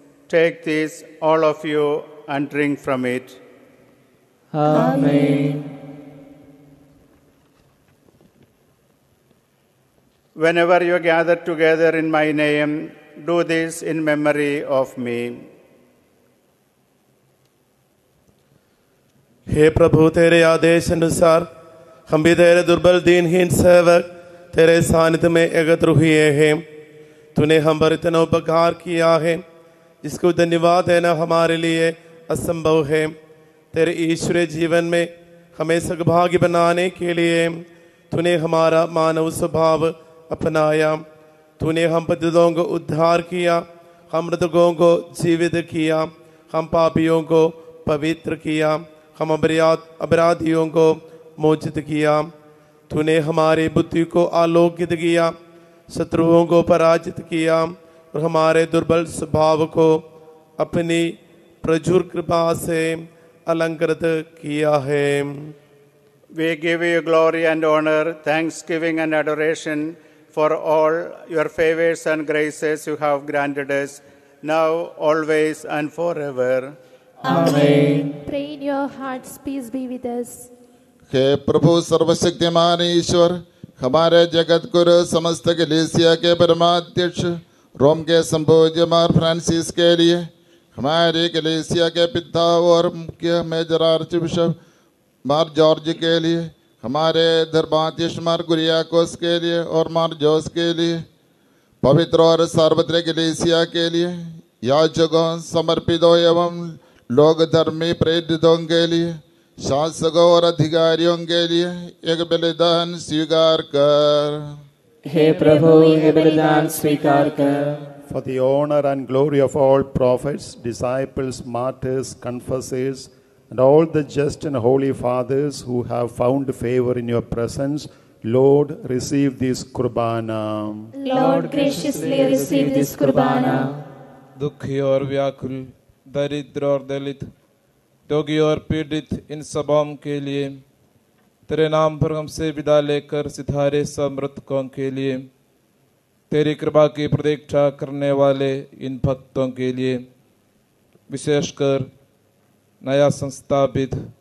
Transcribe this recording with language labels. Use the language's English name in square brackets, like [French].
[English] Take this, all of you, and drink from it. Amen. Whenever you gather together in my name, do this in memory of me. [Hindi] हे प्रभु तेरे आदेश अनुसार हम भी तेरे दुर्बल दीनहीन सेवक तेरे सानिध्य में एकत्र हुए हैं तूने हम पर इतना उपकार किया है जिसको धन्यवाद देना हमारे लिए असंभव है तेरे ईश्वरीय जीवन में हमें सौभाग्य बनाने के लिए तूने हमारा मानव स्वभाव अपनाया तूने हम पतितों को उद्धार किया हम मृतकों को जीवित किया हम पापियों को पवित्र किया हम अपराधियों को मोचित किया तूने हमारी बुद्धि को आलोकित किया शत्रुओं को पराजित किया और हमारे दुर्बल स्वभाव को अपनी प्रचुर कृपा से अलंकृत किया है [English] We give you glory and honor, thanksgiving and adoration. For all your favors and graces you have granted us, now, always, and forever. Amen. Pray in your hearts, peace be with us. [Hindi] हे प्रभु सर्वशक्तिमान ईश्वर हमारे जगतगुरु समस्त कलीसिया के परमाध्यक्ष रोम के संपूज्य मार Francis के लिए हमारे कलीसिया के पिता और मुख्य मेजर आर्चबिशप मार जॉर्ज के लिए हमारे धर्माध्यक्ष मार कुरियाकोस के लिए और मार जोस के लिए पवित्र और सार्वत्रिक कलीसिया के लिए याजकों समर्पितों एवं लोक धर्मी प्रेरितों के लिए शासकों और अधिकारियों के लिए एक बलिदान स्वीकार कर। हे प्रभु, ये बलिदान स्वीकार कर। [English] For the honor and glory of all prophets, disciples, martyrs, confessors, and all the just and holy fathers who have found favor in your presence, Lord, receive this kurbana. Lord, graciously receive this kurbana. [Hindi] Dukhi aur vyakul, daridra aur dalit, rogi aur pidit, in sabam ke liye, tere naam par hum se vida lekar sitare samratkon ke liye, तेरी कृपा की प्रतीक्षा करने वाले इन भक्तों के लिए विशेषकर नया संस्थापित